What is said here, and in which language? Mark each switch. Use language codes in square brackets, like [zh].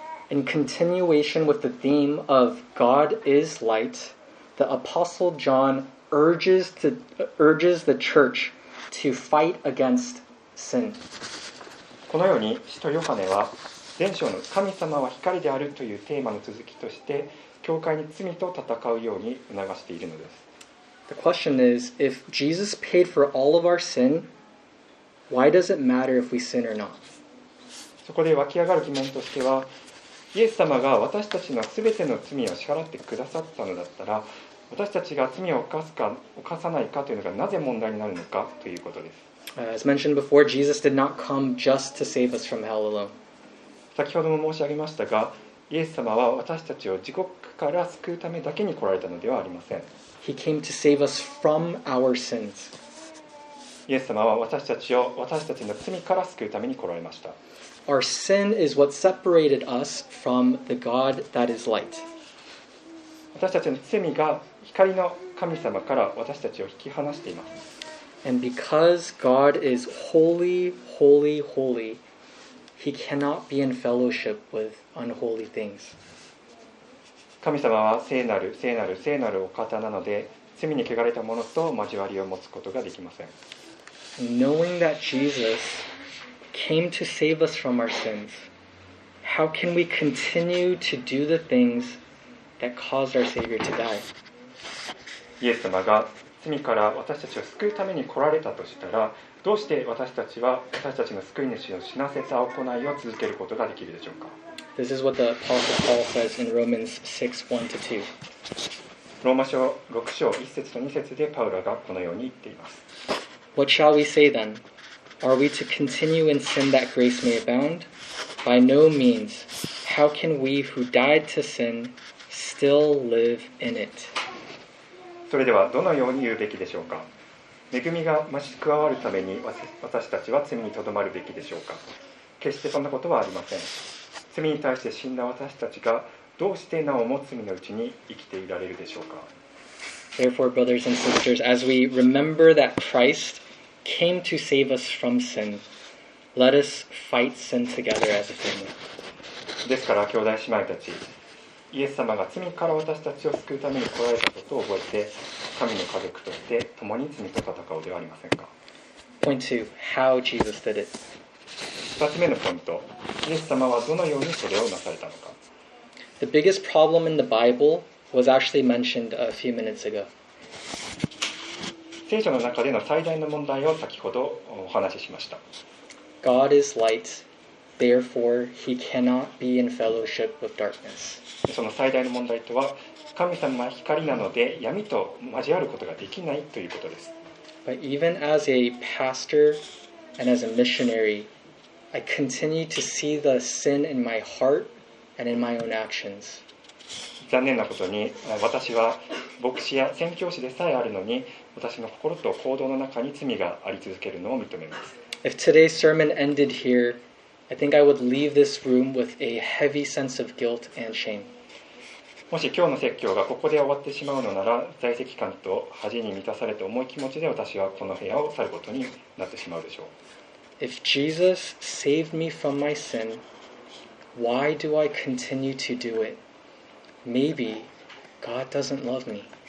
[en] In continuation with the theme of God is light, the Apostle John urges the church to fight against sin. [ja] このように、使徒ヨハネは、前章の神様は光であるというテーマの続きとして、教会に罪と戦うように促しているのです。 [en] The question is, if Jesus paid for all of our sin, why does it matter if we sin or not? [ja] そこで湧き上がる疑問としては、イエス様が私たちのすべての罪を支払ってくださったのだったら、私たちが罪を犯すか犯さないかというのがなぜ問題になるのかということです。 [en] As mentioned before, Jesus did not come just to save us from hell alone. [ja] 先ほども申し上げましたが、イエス様は私たちを地獄から救うためだけに来られたのではありません。 [en] He came to save us from our sins. [ja] イエス様は私たちを私たちの罪から救うために来られました。 [en] Our sin is what separated us from the God that is light. [ja] 私たちの罪が光の神様から私たちを引き離しています。 [en] And because God is holy, holy, holy, He cannot be in fellowship with unholy things. [ja] 神様は聖なる、聖なる、聖なるお方なので、罪に汚れたものと交わりを持つことができません。 [en] Knowing that Jesus came to save us from our sins, how can we continue to do the things that caused our Savior to die? [ja] イエス様が罪から私たちを救うために来られたとしたら、どうして私たちは私たちの救い主の死なせた行いを続けることができるでしょうか？ [en] This is what the Apostle Paul says in Romans 6:1-2. [ja] ローマ書6章1節と2節でパウロがこのように言っています。 [en] What shall we say then? Are we to continue in sin that grace may abound? By no means. How can we who died to sin still live in it? [ja] それではどのように言うべきでしょうか。恵みが増し加わるために私たちは罪にとどまるべきでしょうか。決してそんなことはありません。罪に対して死んだ私たちがどうしてなおも罪のうちに生きていられるでしょうか。 [en] Therefore, brothers and sisters, as we remember that Christ came to save us from sin, let us fight sin together as a family. [ja] ですから、兄弟姉妹たち、イエス様が罪から私たちを救うために来られたことを覚えて、神の家族として共に罪と戦うではありませんか。 [en] Point two, how Jesus did it. [ja] 2つ目のポイント、イエス様はどのようにそれをなされたのか。 [en] The biggest problem in the Bible was actually mentioned a few minutes ago. [ja] 聖書の中での最大の問題を先ほどお話ししました。 [en] God is light, therefore he cannot be in fellowship with darkness. [ja] その最大の問題とは、神様は光なので闇と交わることができないということです。 [en] But even as a pastor and as a missionary, I continue to see the sin in my heart and in my own actions. [ja] 残念なことに、私は牧師や宣教師でさえあるのに、私の心と行動の中に罪があり続けるのを認めます。 [en] If today's sermon ended here, I think I would leave this room with a heavy sense of guilt and shame. [ja] もし今日の説教がここで終わってしまうのなら、在籍感と恥に満たされて重い気持ちで私はこの部屋を去ることになってしまうでしょう。 [en] If Jesus saved me from my sin, why do I continue to do it? Maybe God doesn't love me.